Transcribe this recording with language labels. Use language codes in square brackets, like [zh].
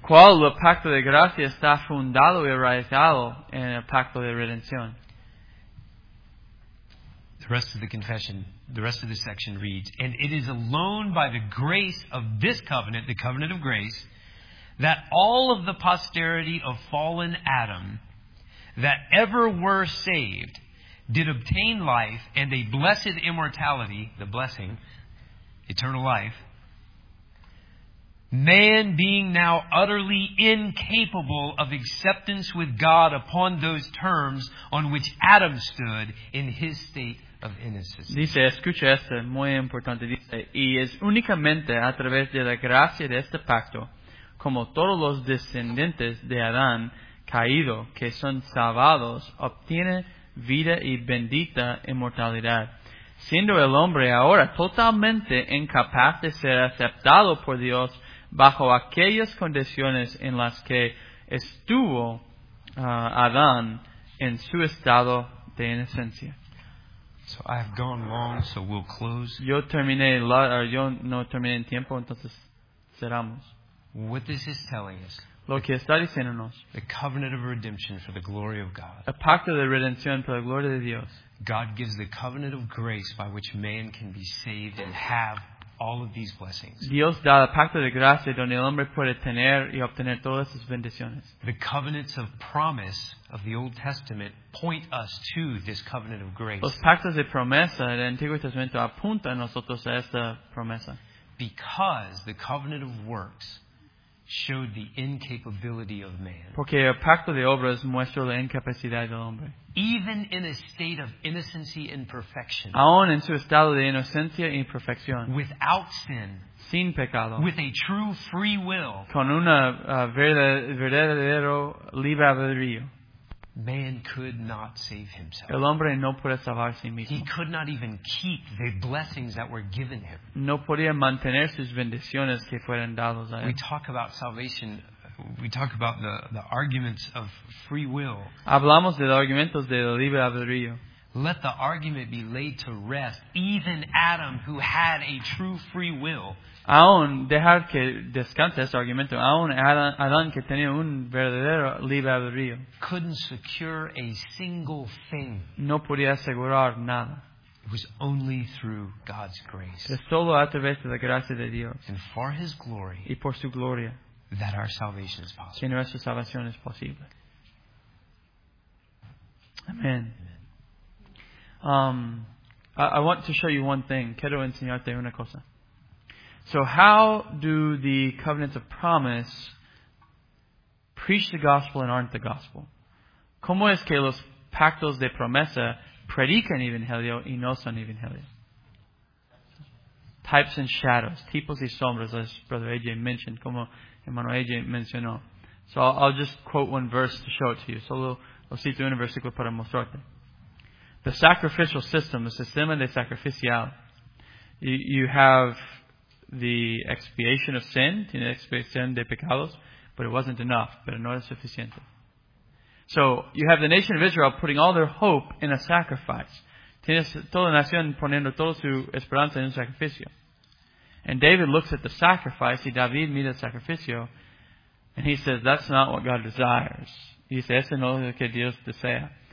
[es] Cual el pacto de gracia está fundado y arraigado en el pacto de redención. [en] The rest of the confession, the rest of the section reads, and it is alone by the grace of this covenant, the covenant of grace, that all of the posterity of fallen Adam that ever were saved did obtain life and a blessed immortality, the blessing, eternal life, man being now utterly incapable of acceptance with God upon those terms on which Adam stood in his state of innocence. [es] Dice, escucha esto, muy importante. Dice, y es únicamente a través de la gracia de este pacto, como todos los descendientes de Adán caído que son salvados, obtiene vida y bendita inmortalidad, siendo el hombre ahora totalmente incapaz de ser aceptado por Dios bajo aquellas condiciones en las que estuvo Adán en su estado de inocencia. [en] So I have gone long, so we'll close. [es] Yo no terminé en tiempo, entonces cerramos. [en] What this is telling us. [es] Lo que está diciéndonos. [en] The covenant of redemption for the glory of God. [es] El pacto de redención para la gloria de Dios. [en] God gives the covenant of grace by which man can be saved and have all of these blessings. [es] Dios da el pacto de gracia donde el hombre puede tener y obtener todas sus bendiciones. [en] The covenants of promise of the Old Testament point us to this covenant of grace. [es] Los pactos de promesa del Antiguo Testamento apuntan nosotros a esta promesa. [en] Because the covenant of works showed the incapability of man. [es] Porque el pacto de obras muestra la incapacidad del hombre. [en] Even in a state of innocency and perfection. [es] Aún en su estado de inocencia y perfección. [en] Without sin. [es] Sin pecado. [en] With a true free will. [es] Con una verdadero libre albedrío. [en] Man could not save himself. [es] El hombre no puede salvarse mismo. [en] He could not even keep the blessings that were given him. [es] No podía mantener sus bendiciones que fueron dados a él. [en] We talk about salvation. We talk about the arguments of free will. [es] Hablamos de los argumentos de libre albedrío. [en] Let the argument be laid to rest. Even Adam, who had a true free will. [es] Aún dejar que descanse este argumento. Aún Adán que tenía un verdadero libre albedrío. [en] Couldn't secure a single thing. [es] No podía asegurar nada. [en] It was only through God's grace. [es] Es solo a través de la gracia de Dios. [en] And for His glory. [es] Y por su gloria. [en] That our salvation is possible. [es] Que nuestra salvación es posible. [en] Amen. I want to show you one thing. [es] Quiero enseñarte una cosa. [en] So how do the covenants of promise preach the gospel and aren't the gospel? [es] ¿Cómo es que los pactos de promesa predican evangelio y no son evangelio? [en] Types and shadows. [es] Tipos y sombras, [en] as Brother AJ mentioned, [es] como hermano AJ mencionó. [en] So I'll just quote one verse to show it to you. [es] Solo lo cito un versículo para mostrarte. [en] The sacrificial system, the [es] sistema de sacrificial. [en] You have the expiation of sin, [es] tiene expiación de pecados, [en] but it wasn't enough, [es] pero no era suficiente. [en] So you have the nation of Israel putting all their hope in a sacrifice. [es] Tienes toda la nación poniendo toda su esperanza en un sacrificio. [en] And David looks at the sacrifice, [es] y David mira el sacrificio, [en] and he says, that's not what God desires. [es] Y dice, ese no es lo que Dios desea.